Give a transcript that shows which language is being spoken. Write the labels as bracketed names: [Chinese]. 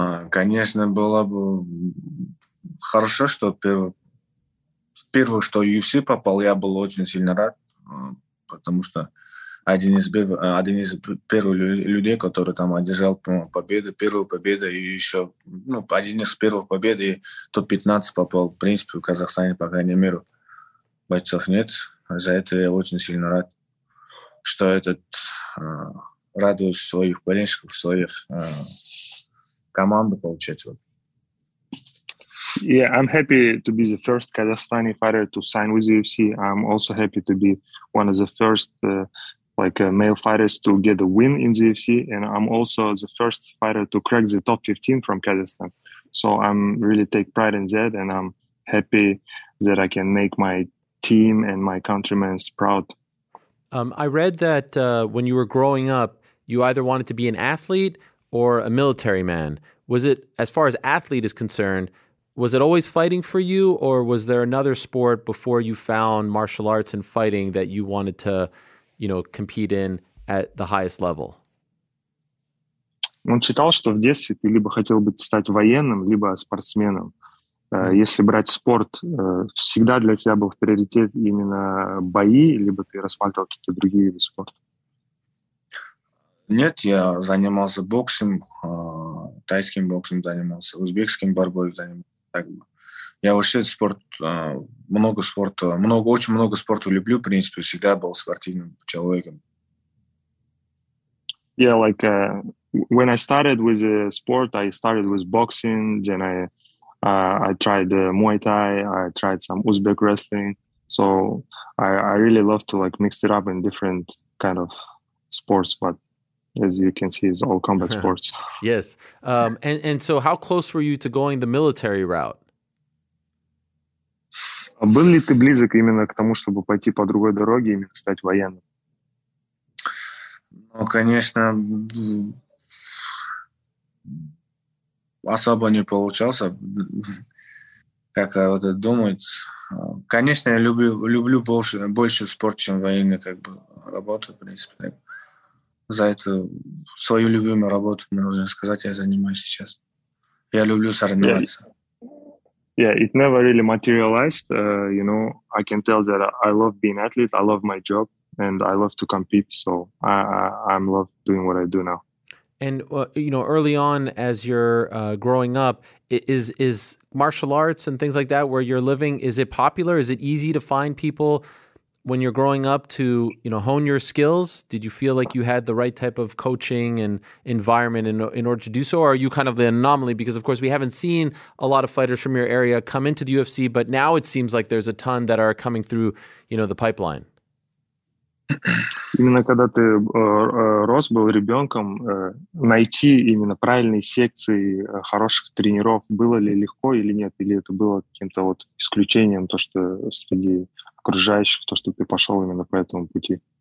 [Russian] Конечно, было бы хорошо, что первый, что UFC попал, я был очень сильно рад, потому что один из первых людей, который там одержал победу, первую победу, и еще ну, один из первых побед, и топ-15 попал, в принципе, в Казахстане, по крайней мере, бойцов нет. За это я очень сильно рад, что этот радует своих болельщиков, своих команды, получается. [English] Yeah, I'm happy to be the first Kazakhstani fighter to sign with UFC. I'm also happy to be one of the first male fighters to get a win in the UFC. And I'm also the first fighter to crack the top 15 from Kazakhstan. So I'm really take pride in that, and I'm happy that I can make my team and my countrymen is proud. I read that when you were growing up, you either wanted to be an athlete or a military man. Was it, as far as athlete is concerned, was it always fighting for you, or was there another sport before you found martial arts and fighting that you wanted to, you know, compete in at the highest level? [Russian] Он читал, что в детстве ты либо хотел бы стать военным, либо спортсменом. Если брать спорт, всегда для тебя был приоритет именно бои, либо ты рассматривал какие-то другие виды спорта? Нет, я занимался боксом, тайским боксом занимался, узбекским борьбой занимался. Я вообще очень много спорта люблю, в принципе, всегда был спортивным человеком. [English] Yeah, like when I started with sport, I started with boxing, then I tried Muay Thai, I tried some Uzbek wrestling. So I really love to like mix it up in different kind of sports, but as you can see, it's all combat sports. Yes. And so how close were you to going the military route? [Russian] Был ли ты близок именно к тому, чтобы пойти по другой дороге и стать военным? Ну, конечно, особо не получался. Как-то вот думать. Конечно, я люблю больше спорт, чем военный, как бы, работу, в принципе. Так. За эту свою любимую работу, мне нужно сказать, я занимаюсь сейчас. Я люблю соревноваться. [English] Yeah, it never really materialized. You know, I can tell that I love being an athlete, I love my job, and I love to compete. So I love doing what I do now. And, you know, early on as you're growing up, is martial arts and things like that where you're living, is it popular? Is it easy to find people when you're growing up to, you know, hone your skills? Did you feel like you had the right type of coaching and environment in order to do so? Or are you kind of the anomaly? Because, of course, we haven't seen a lot of fighters from your area come into the UFC, but now it seems like there's a ton that are coming through, you know, the pipeline. [Russian] Именно когда ты рос, был ребенком, найти именно правильные секции хороших тренеров, было ли легко или нет, или это было каким-то вот исключением, то, что среди окружающих, то, что ты пошел именно по этому пути?